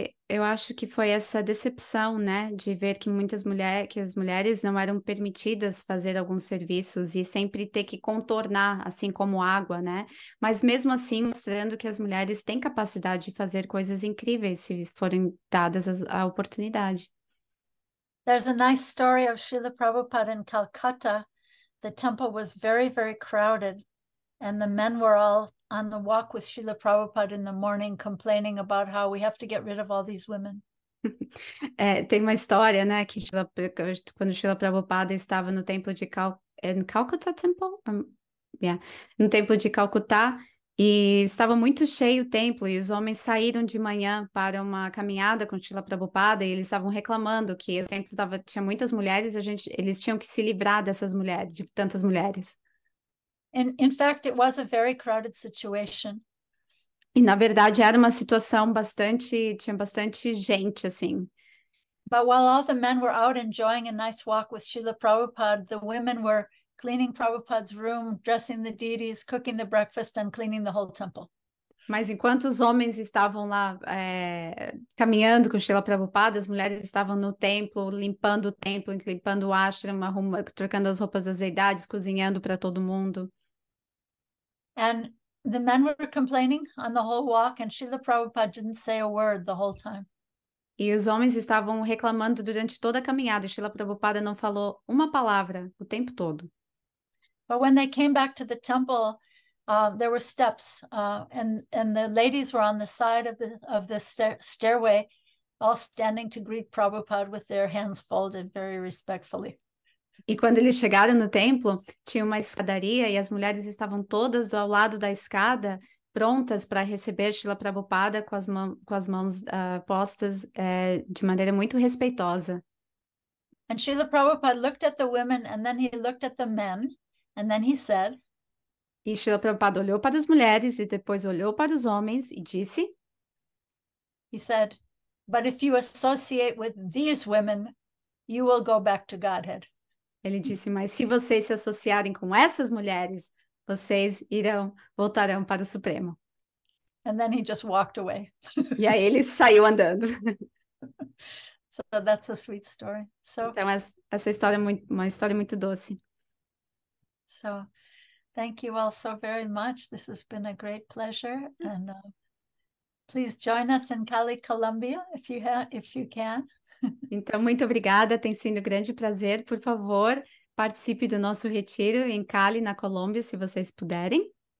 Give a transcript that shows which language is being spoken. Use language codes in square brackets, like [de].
[pt] Eu acho que foi essa decepção, né, de ver que muitas mulheres, que as mulheres não eram permitidas fazer alguns serviços e sempre ter que contornar, assim como água, né? Mas mesmo assim, mostrando que as mulheres têm capacidade de fazer coisas incríveis se forem dadas a oportunidade. [en] There's a nice story of Srila Prabhupada in Calcutta. The temple was very, very crowded and the men were all on the walk with Srila Prabhupada in the morning complaining about how we have to get rid of all these women. [pt] Tem uma história, né, que quando Srila Prabhupada estava no templo de Calcutta temple? No templo de Calcutá, E estava muito cheio o templo e os homens saíram de manhã para uma caminhada com Shrila Prabhupada e eles estavam reclamando que o templo tinha muitas mulheres e eles tinham que se livrar dessas mulheres, de tantas mulheres. [en] In fact, it was a very crowded situation. [pt] E na verdade era uma situação tinha bastante gente assim. [en] But while all the men were out enjoying a nice walk with Shrila Prabhupada, the women were cleaning Prabhupada's room, dressing the deities, cooking the breakfast, and cleaning the whole temple. [pt] Mas enquanto os homens estavam lá caminhando com Shrila Prabhupada, as mulheres estavam no templo, limpando o ashram, trocando as roupas das deidades, cozinhando para todo mundo. [en] And the men were complaining on the whole walk, and Shrila Prabhupada didn't say a word the whole time. [pt] E os homens estavam reclamando durante toda a caminhada, e Shrila Prabhupada não falou uma palavra o tempo todo. [en] But when they came back to the temple, there were steps, and the ladies were on the side of the stairway, all standing to greet Prabhupada with their hands folded very respectfully. [pt] E quando eles chegaram no templo, tinha uma escadaria e as mulheres estavam todas ao lado da escada, prontas para receber Shrila Prabhupada com as mãos postas de maneira muito respeitosa. [en] And Srila Prabhupada looked at the women, and then he looked at the men. And then he said, [pt] E Shrila Prabhupada olhou para as mulheres e depois olhou para os homens e disse: [en] He said, but if you associate with these women, you will go back to Godhead. [pt] Ele disse: mas se vocês se associarem com essas mulheres, vocês voltarão para o Supremo. [en] And then he just walked away. [pt] E aí ele saiu andando. [en] So that's a sweet story. So [pt] então, essa história é uma história muito doce. [en] So, thank you all so very much. This has been a great pleasure. And please join us in Cali, Colombia, if you can. [pt] Então, muito obrigada. Tem sido um grande prazer. Por favor, participe do nosso retiro em Cali, na Colômbia, se vocês puderem.